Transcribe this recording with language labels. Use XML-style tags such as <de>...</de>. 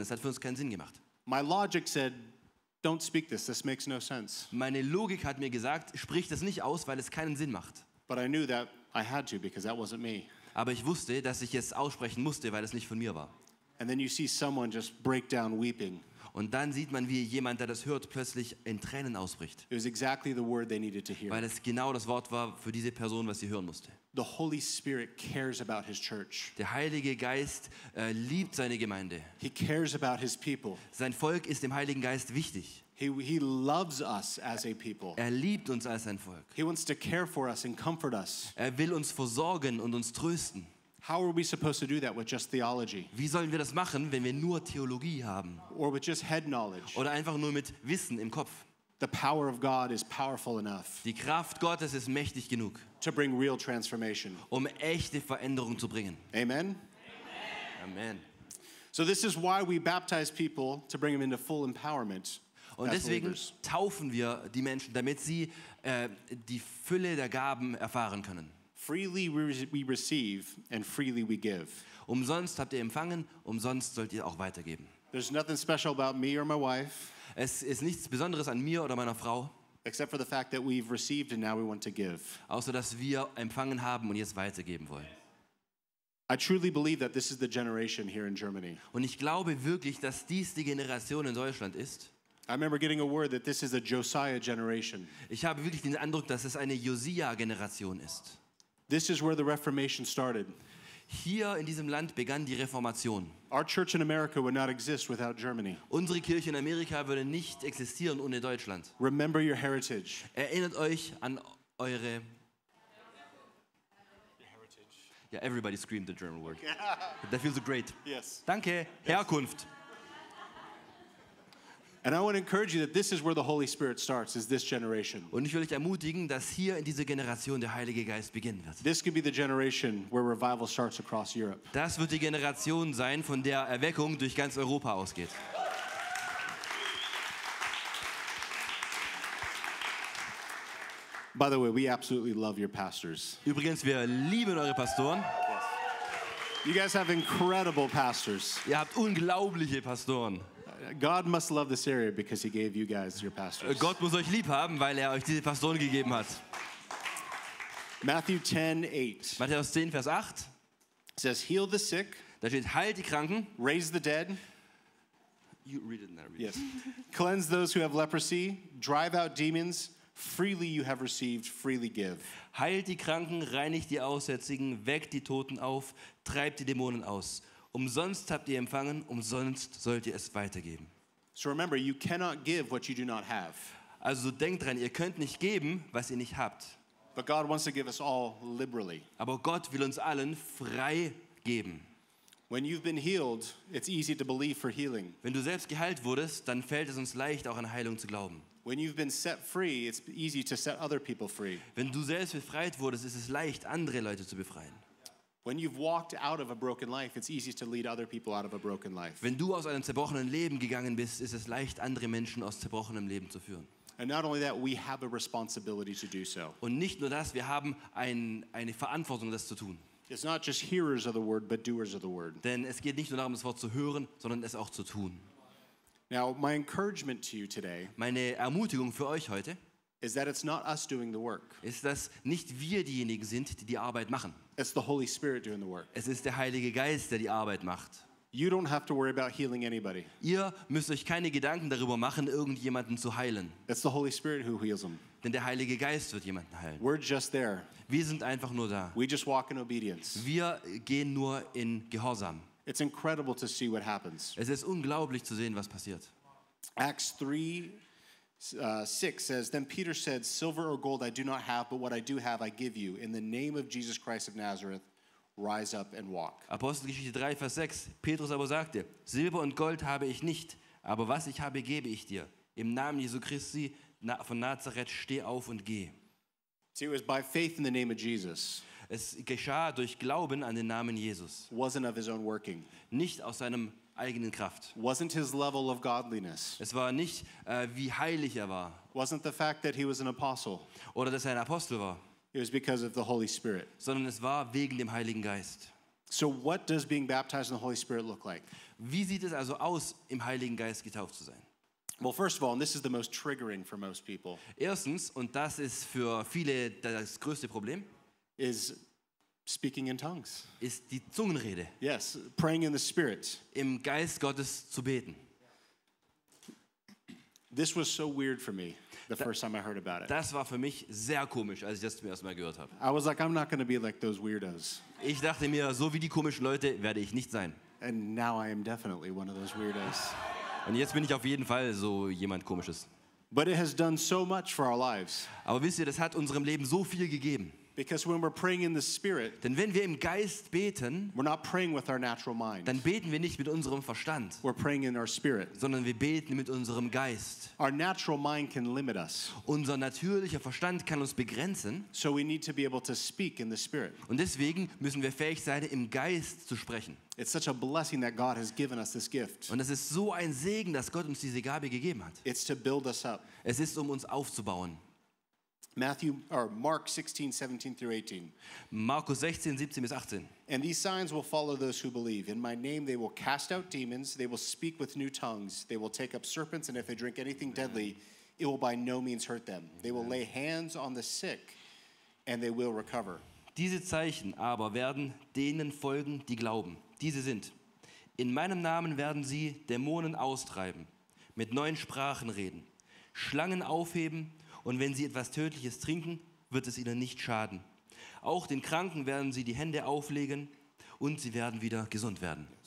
<de>Es hat für uns keinen Sinn gemacht.</de> <en>My logic said, don't speak this. This makes no sense.</en> <de>Meine Logik hat mir gesagt, sprich das nicht aus, weil es keinen Sinn macht.</de> <en>But I knew that I had to because that wasn't me.</en> <de>Aber ich wusste, dass ich es aussprechen musste, weil es nicht von mir war.</de> <en>And then you see someone just break down weeping.</en> <de>Und dann sieht man, wie jemand, der das hört, plötzlich in Tränen ausbricht.</de> <en>It was exactly the word they needed to hear.</en> <de>Weil es genau das Wort war für diese Person, was sie hören musste.</de> <en>The Holy Spirit cares about his church.</en> <de>Der Heilige Geist liebt seine Gemeinde.</de> <en>He cares about his people.</en> <de>Sein Volk ist dem Heiligen Geist wichtig.</de> <en>He loves us as a people.</en> <de>Er liebt uns als sein Volk.</de> <en>He wants to care for us and comfort us.</en> <de>Er will uns versorgen und uns trösten.</de> <en>How are we supposed to do that with just theology?</en> <de>Wie sollen wir das machen, wenn wir nur Theologie haben?</de> <en>Or with just head knowledge?</en> <de>Oder einfach nur mit Wissen im Kopf?</de> <en>The power of God is powerful enough.</en> <de>Die Kraft Gottes ist mächtig genug.</de> <en>To bring real transformation.</en> <de>Um echte Veränderung zu bringen.</de> <en>Amen.</en> <de>Amen. Amen.</de> <en>So this is why we baptize people to bring them into full empowerment.</en> <de>Und deswegen taufen wir die Menschen, damit sie die Fülle der Gaben erfahren können.</de> <en>Freely we receive and freely we give.</en> <de>Umsonst habt ihr empfangen, umsonst sollt ihr auch weitergeben.</de> <en>There's nothing special about me or my wife.</en> <de>Es ist nichts Besonderes an mir oder meiner Frau.</de> <en>Except for the fact that we've received and now we want to give.</en> <de>Außer dass wir empfangen haben und jetzt weitergeben wollen.</de> <en>I truly believe that this is the generation here in Germany.</en> <de>Und ich glaube wirklich, dass dies die Generation in Deutschland ist.</de> <en>I remember getting a word that this is a Josiah generation.</en> <de>Ich habe wirklich den Eindruck, dass es eine Josia-Generation ist.</de> <en>This is where the Reformation started.</en> <de>Hier in diesem Land begann die Reformation.</de> <en>Our church in America would not exist without Germany.</en> <de>Unsere Kirche in Amerika würde nicht existieren ohne Deutschland.</de> <en>Remember your heritage.</en> <de>Erinnert euch an eure</de> <en>heritage. Yeah, everybody screamed the German word. That feels great. Yes.</en> <de>Danke.</de> <en>Yes.</en> <de>Herkunft.</de> <en>And I want to encourage you that this is where the Holy Spirit starts, is this generation.</en> <de>Und ich will euch ermutigen, dass hier in dieser Generation der Heilige Geist beginnen wird.</de> <en>This could be the generation where revival starts across Europe.</en> <de>Das wird die Generation sein, von der Erweckung durch ganz Europa ausgeht.</de> <en>By the way, we absolutely love your pastors.</en> <de>Übrigens, wir lieben eure Pastoren.</de> <en>Yes. You guys have incredible pastors.</en> <de>Ihr habt unglaubliche Pastoren.</de> <en>God must love this area because he gave you guys your pastors.</en> <de>Gott muss euch lieb haben, weil euch diese Pastoren gegeben hat.</de> <en>Matthew 10:8.</en> <de>Matthäus 10 Vers 8.</de> <en>Says heal the sick.</en> <de>Da steht heilt die Kranken.</de> <en>Raise the dead. You read it in there. Yes. Cleanse those who have leprosy, drive out demons. Freely you have received, freely give.</en> <de>Heilt die Kranken, reinigt die Aussätzigen, weckt die Toten auf, treibt die Dämonen aus. Umsonst habt ihr empfangen, umsonst sollt ihr es weitergeben.</de> <en>So remember, you cannot give what you do not have.</en> <de>Also denkt dran, ihr könnt nicht geben, was ihr nicht habt.</de> <en>But God wants to give us all liberally.</en> <de>Aber Gott will uns allen frei geben.</de> <en>When you've been healed, it's easy to believe for healing.</en> <de>Wenn du selbst geheilt wurdest, dann fällt es uns leicht, auch an Heilung zu glauben.</de> <en>When you've been set free, it's easy to set other people free.</en> <de>Wenn du selbst befreit wurdest, ist es leicht, andere Leute zu befreien.</de> <en>When you've walked out of a broken life, it's easy to lead other people out of a broken life.</en> <de>Wenn du aus einem zerbrochenen Leben gegangen bist, ist es leicht, andere Menschen aus zerbrochenem Leben zu führen.</de> <en>And not only that, we have a responsibility to do so.</en> <de>Und nicht nur das, wir haben eine Verantwortung, das zu tun.</de> <en>It's not just hearers of the word, but doers of the word.</en> <de>Denn es geht nicht nur darum, das Wort zu hören, sondern es auch zu tun.</de> <en>Now, my encouragement to you today.</en> <de>Meine Ermutigung für euch heute.</de> <en>Is that it's not us doing the work.</en> <de>Ist, dass nicht wir diejenigen sind, die die Arbeit machen.</de> <en>It's the Holy Spirit doing the work.</en> <de>Es ist der Heilige Geist, der die Arbeit macht.</de> <en>You don't have to worry about healing anybody.</en> <de>Ihr müsst euch keine Gedanken darüber machen, irgendjemanden zu heilen.</de> <en>It's the Holy Spirit who heals them.</en> <de>Denn der Heilige Geist wird jemanden heilen.</de> <en>We're just there.</en> <de>Wir sind einfach nur da.</de> <en>We just walk in obedience.</en> <de>Wir gehen nur in Gehorsam.</de> <en>It's incredible to see what happens.</en> <de>Es ist unglaublich zu sehen, was passiert.</de> <en>Acts 3 6 says, then Peter said, silver or gold I do not have, but what I do have I give you. In the name of Jesus Christ of Nazareth, rise up and walk.</en> <de>Apostelgeschichte 3, Vers 6. Petrus aber sagte, Silber und Gold habe ich nicht, aber was ich habe, gebe ich dir. Im Namen Jesu Christi von Nazareth, steh auf und geh.</de> <en>See, it was by faith in the name of Jesus.</en> <de>Es geschah durch Glauben an den Namen Jesus.</de> <en>Wasn't of his own working.</en> <de>Nicht aus seinem eigenen Kraft.</de> <en>Wasn't his level of godliness.</en> <de>Es war nicht, wie heilig er war.</de> <en>Wasn't the fact that he was an apostle.</en> <de>Oder dass er ein Apostel war.</de> <en>It was because of the Holy Spirit.</en> <de>Sondern es war wegen dem Heiligen Geist.</de> <en>So what does being baptized in the Holy Spirit look like?</en> <de>Wie sieht es also aus, im Heiligen Geist getauft zu sein?</de> <en>Well, first of all, and this is the most triggering for most people.</en> <de>Erstens, und das ist für viele das größte Problem,</de> <en>is speaking in tongues.</en> <de>Ist die Zungenrede.</de> <en>Yes, praying in the Spirit.</en> <de>Im Geist Gottes zu beten.</de> <en>This was so weird for me the first time I heard about it.</en> <de>Das war für mich sehr komisch, als ich das zum ersten Mal gehört habe.</de> <en>I was like, I'm not going to be like those weirdos.</en> <de>Ich dachte mir, so wie die komischen Leute werde ich nicht sein.</de> <en>And now I am definitely one of those weirdos.</en> <de>Und jetzt bin ich auf jeden Fall so jemand Komisches.</de> <en>But it has done so much for our lives.</en> <de>Aber wisst ihr, das hat unserem Leben so viel gegeben.</de> <en>Because when we're praying in the Spirit,</en> <de>denn wenn wir im Geist beten,</de> <en>we're not praying with our natural mind.</en> <de>Dann beten wir nicht mit unserem Verstand.</de> <en>We're praying in our spirit.</en> <de>Sondern wir beten mit unserem Geist.</de> <en>Our natural mind can limit us.</en> <de>Unser natürlicher Verstand kann uns begrenzen.</de> <en>So we need to be able to speak in the Spirit.</en> <de>Und deswegen müssen wir fähig sein, im Geist zu sprechen.</de> <en>It's such a blessing that God has given us this gift.</en> <de>Und es ist so ein Segen, dass Gott uns diese Gabe gegeben hat.</de> <en>It's to build us up.</en> <de>Es ist, um uns aufzubauen.</de> <en>Matthew or Mark 16, 17 through 18.</en> <de>Markus 16, 17 bis 18.</de> <en>And these signs will follow those who believe. In my name they will cast out demons, they will speak with new tongues, they will take up serpents, and if they drink anything deadly, it will by no means hurt them. They will lay hands on the sick and they will recover.</en> <de>Diese Zeichen aber werden denen folgen, die glauben. Diese sind: In meinem Namen werden sie Dämonen austreiben, mit neuen Sprachen reden, Schlangen aufheben und wenn sie etwas Tödliches trinken, wird es ihnen nicht schaden. Auch den Kranken werden sie die Hände auflegen und sie werden wieder gesund werden.</de>